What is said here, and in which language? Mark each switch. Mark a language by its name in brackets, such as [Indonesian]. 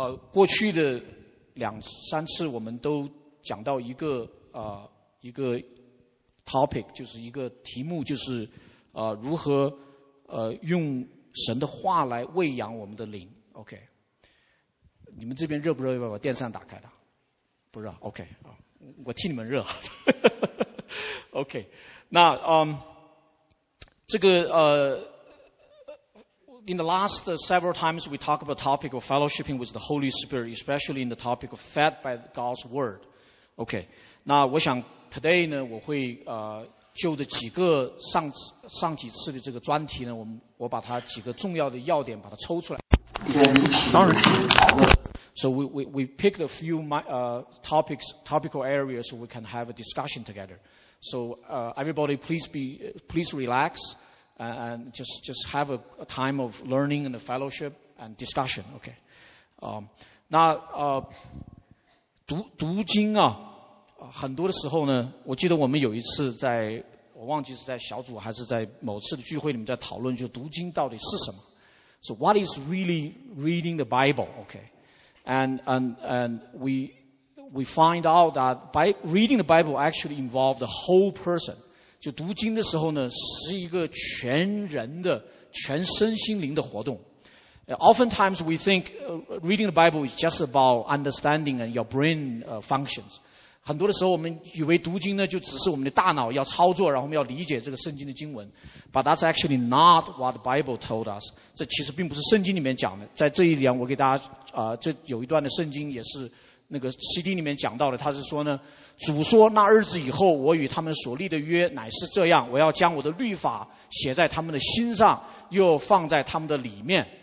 [Chinese] 过去的两三次我们都讲到一个一个 topic， 就是一个题目，就是如何用神的话来喂养我们的灵。 OK， 你们这边热不热？要不要把电扇打开的？不热。OK， 我替你们热。 [English] OK， [Chinese] 那这个 [English] In the last several times we talk about the topic of fellowshipping with the Holy Spirit, especially in the topic of fed by God's Word. [Chinese] Okay, 那我想 today 呢，我会就着几个上几次的这个专题呢，我把它几个重要的要点把它抽出来。当然。 [English] So we picked a few topical areas so we can have a discussion together. So everybody, please relax. And just have a time of learning and a fellowship and discussion. Okay. [Chinese] 那读经啊，很多的时候呢，我记得我们有一次在，我忘记是在小组还是在某次的聚会里面在讨论，就读经到底是什么。 [English] So what is really reading the Bible? Okay. And we find out that by reading the Bible actually involves the whole person. [Chinese] 就读经的时候呢，是一个全人的、全身心灵的活动。 [English] Oftentimes we think reading the Bible is just about understanding and your brain functions. [Chinese] 很多的时候我们以为读经呢，就只是我们的大脑要操作，然后我们要理解这个圣经的经文。 [English] But that's actually not what the Bible told us. [Chinese] 这其实并不是圣经里面讲的。在这一点，我给大家这有一段的圣经也是。那个 CD 里面讲到的，他是说呢，主说那日子以后，我与他们所立的约乃是这样，我要将我的律法写在他们的心上，又放在他们的里面。